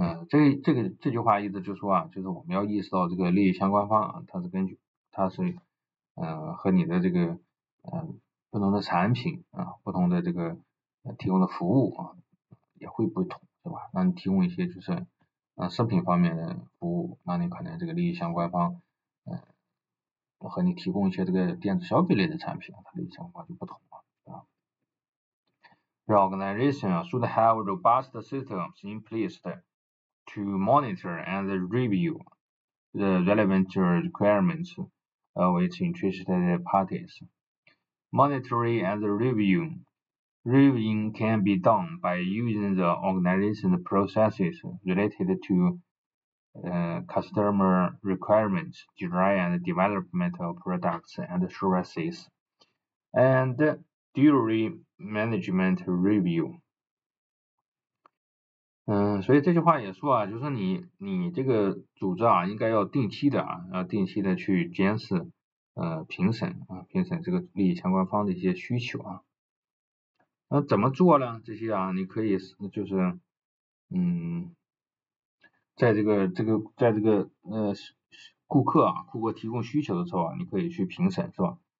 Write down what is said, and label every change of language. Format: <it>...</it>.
<en>This</en> <zh>句话意思就是说啊，就是我们要意识到这个利益相关方啊，它是根据它是和你的这个不同的产品啊，不同的这个提供的服务啊也会不同，对吧？那你提供一些就是食品方面的服务，那你可能这个利益相关方和你提供一些这个电子消费类的产品，它利益相关就不同了啊。</zh> <en>The organization should have robust systems in place to monitor and review the relevant requirements of its interested parties. Monitoring and reviewing can be done by using the organization processes related to customer requirements, design and development of products and services, and during management review.</en> <zh>所以这句话也说啊，就是你这个组织啊，应该要定期的啊，要定期的去监视，评审啊，评审这个利益相关方的一些需求啊。那怎么做呢？这些啊，你可以就是，在这个顾客提供需求的时候啊，你可以去评审是吧？</zh>